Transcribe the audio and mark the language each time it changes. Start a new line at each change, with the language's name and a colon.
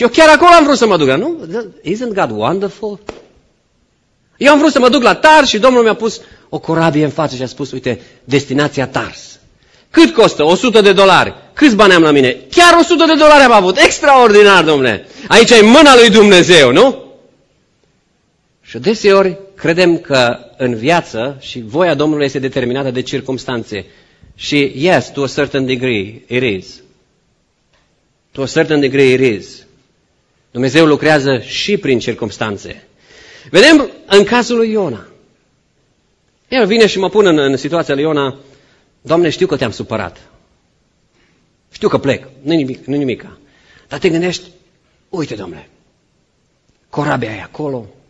Romanian: Și eu chiar acolo am vrut să mă duc. Nu?
English: Isn't God wonderful?
Romanian: Eu am vrut să mă duc la Tars și Domnul mi-a pus o corabie în față și a spus, uite, destinația Tars. Cât costă? $100. Câți bani am la mine? Chiar $100 am avut. Extraordinar, Domnule. Aici e mâna lui Dumnezeu, nu? Și deseori credem că în viață și voia Domnului este determinată de circumstanțe.
English: Și yes, to a certain degree, it is. To a certain degree it is.
Romanian: Dumnezeu lucrează și prin circumstanțe. Vedem în cazul lui Iona. El vine și mă pune în situația lui Iona. Doamne, știu că te-am supărat. Știu că plec. Nu-i nimic. Dar te gândești, uite, Doamne, corabia e acolo.